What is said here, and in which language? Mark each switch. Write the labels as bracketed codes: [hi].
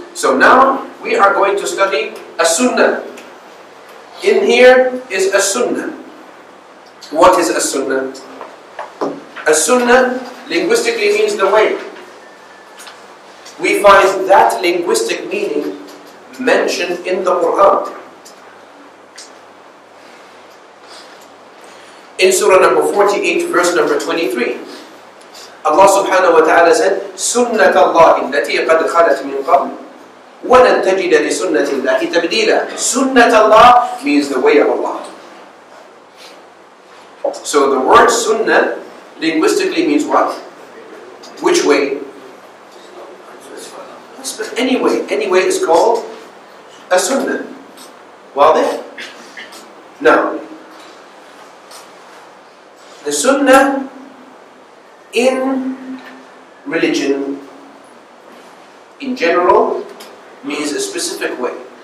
[en] So now, we are going to study a sunnah. In here is a sunnah. What is a sunnah? A sunnah linguistically means the way. We find that linguistic meaning mentioned in the Quran. In Surah number 48, verse number 23, Allah subhanahu wa ta'ala said, [ar] سُنَّةَ اللَّهِ الَّتِي قَدْ خَلَتْ مِنْ قَبْلِ وَلَنْ تَجِدَ لِسُنَّةِ اللَّهِ تَبْدِيلًا. [en] Sunnat Allah means the way of Allah. So the word sunnah linguistically means what? Which way? Anyway, anyway is called a sunnah. Wadih? Now, the sunnah in religion in general means a specific way.